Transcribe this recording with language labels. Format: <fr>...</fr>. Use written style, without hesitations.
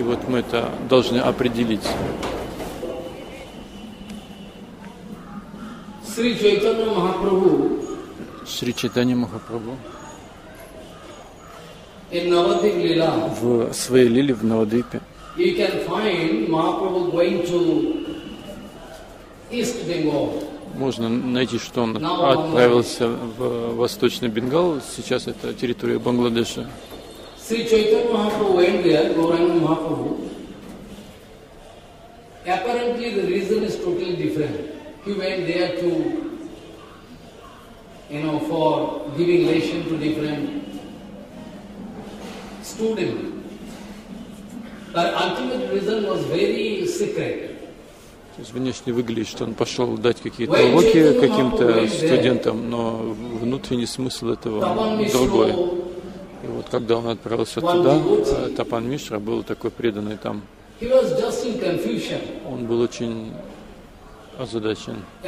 <ru>И вот мы это должны определить. Шри Чайтанья Махапрабху. Шри Чайтанья Махапрабху.</ru> <en>In Navadvip Lila.</en> <ru>В своей лиле в Навадвипе.</ru> <en>You can find Mahaprabhu going to East Bengal.</en> <ru>Можно найти, что он отправился в Восточный Бенгал. Сейчас это территория Бангладеша.</ru> <en>Sri Chaitanya Mahaprabhu went there, Gauranga Mahaprabhu. Apparently the reason is totally different. He went there to, you know, for giving lesson to different students. But ultimate reason was very secret.</en> <ru>То есть внешне выглядит, что он пошел дать какие-то уроки каким-то студентам, но внутренний смысл этого другой. И вот когда он отправился туда, Тапан Мишра был такой преданный там. Он был очень озадачен.</ru>